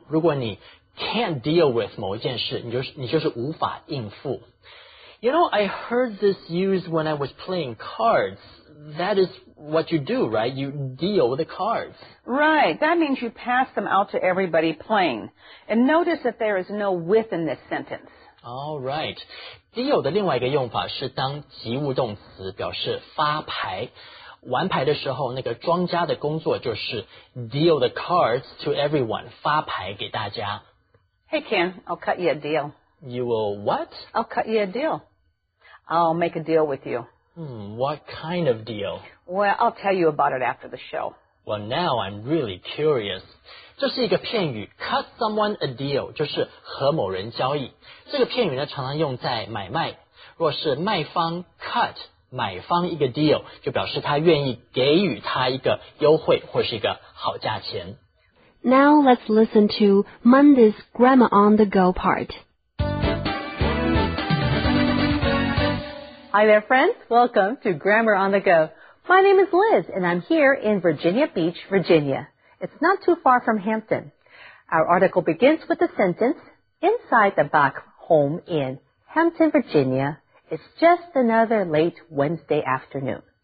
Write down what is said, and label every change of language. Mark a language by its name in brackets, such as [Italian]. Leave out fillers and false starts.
[Chinese] 如果你 [English] can't deal with [Chinese] 某一件事，你就是无法应付。 [English] You know, I heard this used when I was playing cards. That is what you do, right? You deal with the cards. Right. That means you pass them out to everybody playing. And notice that there is no with in this sentence. All right. [Chinese] Deal 的另外一个用法是当及物动词，表示发牌。玩牌的时候，那个庄家的工作就是 [English] deal the cards to everyone, [Chinese] 发牌给大家。 [English] Hey, Ken, I'll cut you a deal. You will what? I'll cut you a deal. I'll make a deal with you. What kind of deal? Well, I'll tell you about it after the show. Well, now I'm really curious. [Chinese] 这是一个片语 [English] cut someone a deal, [Chinese] 就是和某人交易。这个片语呢常常用在买卖。若是卖方 cut 买方一个 deal, 就表示他愿意给予他一个优惠或是一个好价钱。 [English] Now let's listen to Monday's Grammar on the Go part. Hi there, friends. Welcome to Grammar on the Go. My name is Liz, and I'm here in Virginia Beach, Virginia. It's not too far from Hampton. Our article begins with the sentence, Inside the Bach home in Hampton, Virginia, it's just another late Wednesday afternoon.